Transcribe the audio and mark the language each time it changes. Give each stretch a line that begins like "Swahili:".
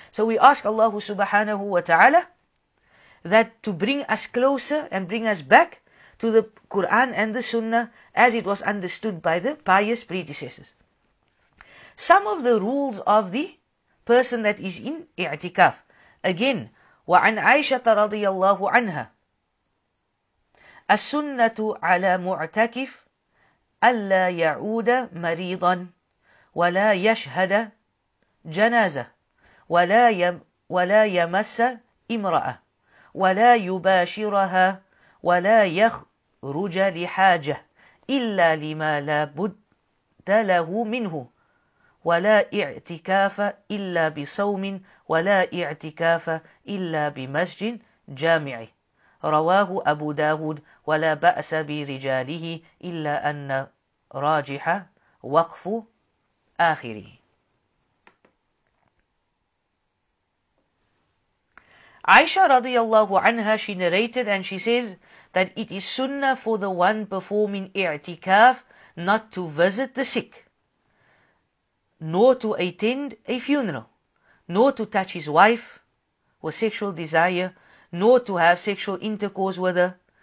English: So we ask Allah subhanahu wa ta'ala that to bring us closer and bring us back to the Quran and the Sunnah as it was understood by the pious predecessors. Some of the rules of the person that is in i'tikaf.
Arabic: Again, وَعَنْ عَيْشَةَ رَضِيَ اللَّهُ عَنْهَا أَسُنَّةُ عَلَى مُعْتَكِفْ أَلَّا يَعُودَ مَرِيضًا وَلَا يَشْهَدَ جَنَازَةً وَلَا يَمَسَّ إِمْرَأَةً وَلَا يُبَاشِرَهَا وَلَا يَخْرُجَ لِحَاجَةٍ إِلَّا لِمَا لَا بُدَّ لَهُ مِنْهُ ولا اعتكاف إلا بصوم ولا اعتكاف إلا بمسجد جامع رواه أبو داود ولا بأس برجاله إلا أن راجح وقف آخره.
English: Aisha
Arabic: رضي الله عنها,
English: she narrated and she says that it is sunnah for the one performing i'tikaf not to visit the sick, nor to attend a funeral, nor to touch his wife with sexual desire, nor to have sexual intercourse with her.